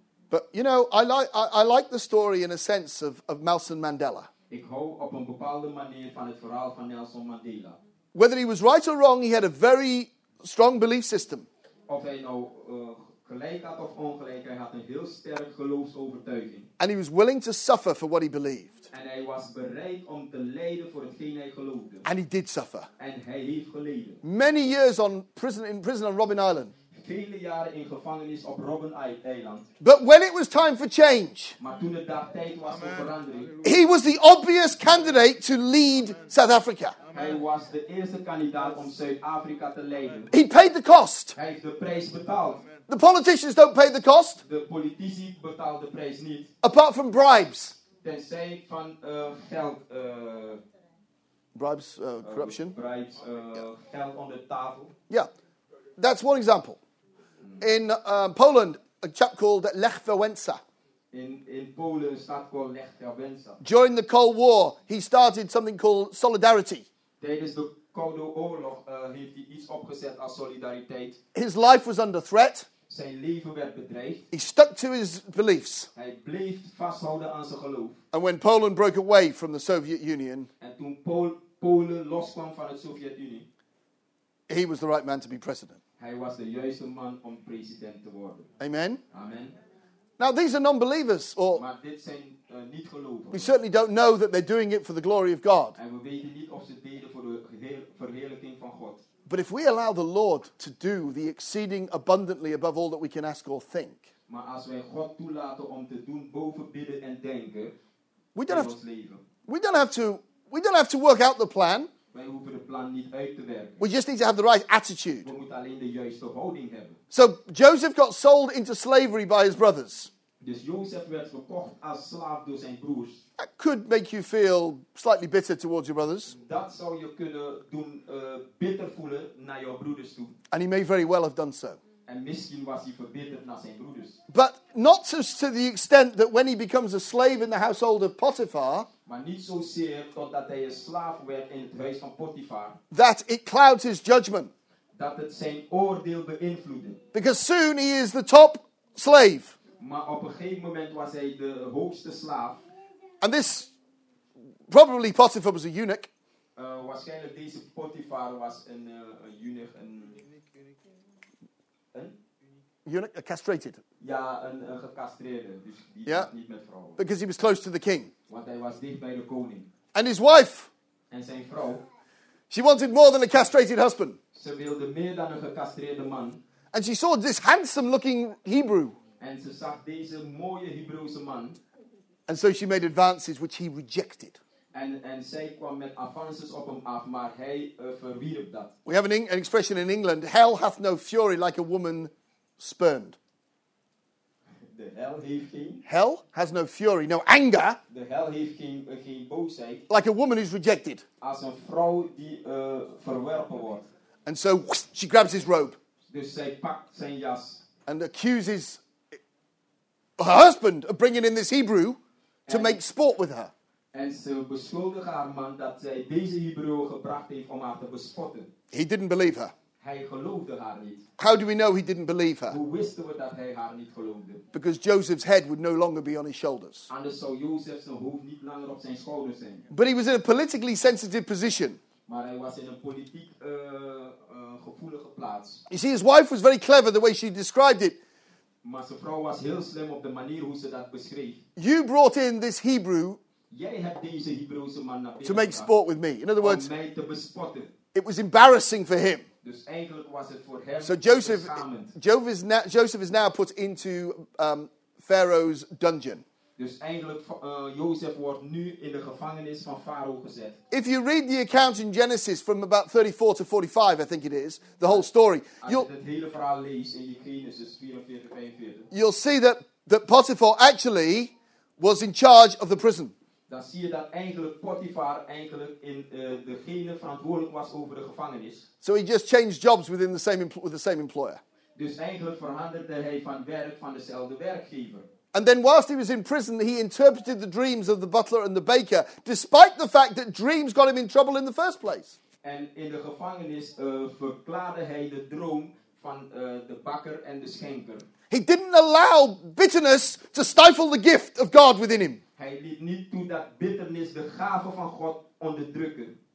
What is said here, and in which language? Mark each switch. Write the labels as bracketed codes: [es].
[en] But you know, I like the story in a sense of Nelson Mandela. [nl] Ik hou op een bepaalde manier van het verhaal van Nelson Mandela. [en] Whether he was right or wrong, he had a very strong belief system. [nl] Of hij nou gelijk had of ongelijk, hij had een heel sterk geloofsovertuiging. [en] And he was willing to suffer for what he believed. [nl] En hij was bereid om te lijden voor hetgeen hij geloofde. [en] And he did suffer. [nl] En hij heeft geleden. [en] Many years on prison, in prison on Robben Island. [nl] vele jaren in gevangenis op Robben Eiland. [en] But when it was time for change, [nl] maar toen het daar tijd was voor verandering, [en] he was the obvious candidate to lead South Africa. [nl] Hij was de eerste kandidaat om Zuid-Afrika te leiden. [en] He paid the cost. [nl] Hij heeft de prijs betaald. [en] The politicians don't pay the cost. [nl] De politici betaalt de prijs niet. [en] Apart from bribes. [nl] Tenzij van geld. [en] Bribes, corruption. Bribes, geld on the table. Yeah, that's one example. In Poland, a chap called Lech Wałęsa. [nl] In Polen, a stad called Lech Wałęsa. [en] During the Cold War, he started something called Solidarity. [nl] Tijdens de Koude Oorlog heeft hij iets opgezet als solidariteit. [en] His life was under threat. [nl] Zijn leven werd bedreigd. [en] He stuck to his beliefs. [nl] Hij bleef vasthouden aan zijn geloof. [en] And when Poland broke away from the Soviet Union, [nl] en toen Polen loskwam van de Sovjet-Unie, [en] he was the right man to be president. [nl] Hij was de juiste man om president te worden. [en] Amen. [nl] Amen. [en] Now these are non-believers, or [nl] maar dit zijn niet gelovigen. [en] We certainly don't know that they're doing it for the glory of God. [nl] En we weten niet of ze het deden voor de verheerlijking van God. [en] But if we allow the Lord to do the exceeding abundantly above all that we can ask or think, [nl] maar als wij God toelaten om te doen boven bidden en denken, [en] we don't have to work out the plan. [nl] Wij hoeven de plan niet uit te werken. [en] We just need to have the right attitude. [nl] We moeten alleen de juiste houding hebben. [en] So Joseph got sold into slavery by his brothers. [nl] Dus Joseph werd verkocht als slaaf door zijn broers. [en] That could make you feel slightly bitter towards your brothers. [nl] Dat zou je kunnen doen bitter voelen naar je broeders toe. [en] And he may very well have done so. [nl] En misschien was hij verbitterd naar zijn broeders. [en] But not to the extent that when he becomes a slave in the household of Potiphar, [nl] maar niet zozeer totdat hij een slaaf werd in het huis van Potiphar, [en] that it clouds his judgment. [nl] Dat het zijn oordeel beïnvloedde. [en] Because soon he is the top slave. [nl] Maar op een gegeven moment was hij de hoogste slaaf. [en] And this, probably Potiphar was a eunuch. [nl] Waarschijnlijk deze Potiphar was een eunuch. [en] Eunuch, castrated. [nl] Ja, een gecastreerde. Dus die yeah. Niet met vrouwen. [en] Because he was close to the king. [nl] Want hij was dicht bij de koning. [en] And his wife. [nl] En zijn vrouw. [en] She wanted more than a castrated husband. [nl] Ze wilde meer dan een gecastreerde man. [en] And she saw this handsome looking Hebrew. [nl] En ze zag deze mooie Hebreeuwse man. [en] And so she made advances which he rejected. [nl] En zij kwam met avances op hem af, maar hij verwierp dat. [en] We have an expression in England. Hell hath no fury like a woman spurned. The hell [nl] heeft geen. [en] Hell has no fury, no anger. The hell [nl] heeft geen boosheid. [en] Like a woman who's rejected. [nl] Als een vrouw die verwerpen wordt. [en] And so she grabs his robe. [nl] Dus zij pakt zijn jas. [en] And accuses her husband of bringing in this Hebrew to make sport with her. [nl] En ze beschuldigt haar man dat zij deze Hebreeuw gebracht heeft om haar te bespotten. [en] He didn't believe her. [nl] Hij geloofde haar niet. [en] How do we know he didn't believe her? [nl] Hoe wisten we dat hij haar niet geloofde? [en] Because Joseph's head would no longer be on his shoulders. [nl] Anders zou Joseph zijn hoofd niet langer op zijn schouders zijn. [en] But he was in a politically sensitive position. [nl] Maar hij was in een politiek gevoelige plaats. [en] You see, his wife was very clever the way she described it. [nl] Maar zijn vrouw was heel slim op de manier hoe ze dat beschreef. [en] You brought in this Hebrew. [nl] Jij hebt deze Hebreeuwse man naar [en] to make sport with me. In other words, [nl] om mij te bespotten. [en] It was embarrassing for him. [nl] Dus eigenlijk was het voor hem [en] so Joseph is now put into Pharaoh's dungeon. [nl] Dus eigenlijk Joseph wordt nu in de gevangenis van Farao gezet. [en] If you read the account in Genesis from about 34 to 45, I think it is, the whole story. [nl] Als je het hele verhaal leest in Genesis 44, 45. [en] You'll see that Potiphar actually was in charge of the prison. [nl] Dan zie je dat eigenlijk Potiphar eigenlijk in degene verantwoordelijk was over de gevangenis. [en] So he just changed jobs within the same with the same employer. [nl] Dus eigenlijk veranderde hij van werk van dezelfde werkgever. [en] And then whilst he was in prison, he interpreted the dreams of the butler and the baker, despite the fact that dreams got him in trouble in the first place. [nl] En in de gevangenis verklaarde hij de droom van de bakker en de schenker. [en] He didn't allow bitterness to stifle the gift of God within him. [nl] Hij liet niet toe dat bitternis de gave van God onderdrukken.